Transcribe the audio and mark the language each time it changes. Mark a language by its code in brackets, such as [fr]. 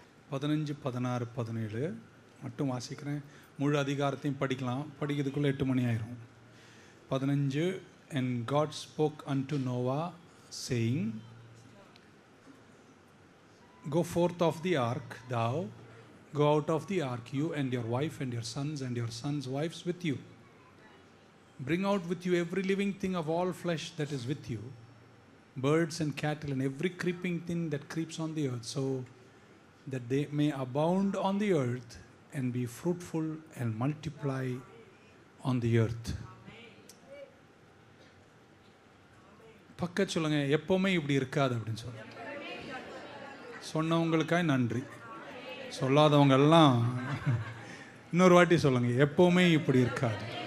[ta] 15, 16, 17 மட்டும் வாசிக்கிறேன். முழு அதிகாரத்தையும் படிக்கலாம், படிக்கிறதுக்குள்ளே 8 மணி ஆயிரும். [en] 15, and God spoke unto Noah saying, go forth of the ark thou, go out of the ark you and your wife and your sons and your sons wives with you. Bring out with you every living thing of all flesh that is with you, birds and cattle and every creeping thing that creeps on the earth, so that they may abound on the earth and be fruitful and multiply on the earth. [ta] பக்க சொல்லுங்க, எப்பவுமே இப்படி இருக்காது அப்படின்னு சொல்லுங்க. சொன்னவங்களுக்காய் நன்றி, சொல்லாதவங்க எல்லாம் இன்னொரு வாட்டி சொல்லுங்க, எப்பவுமே இப்படி இருக்காது.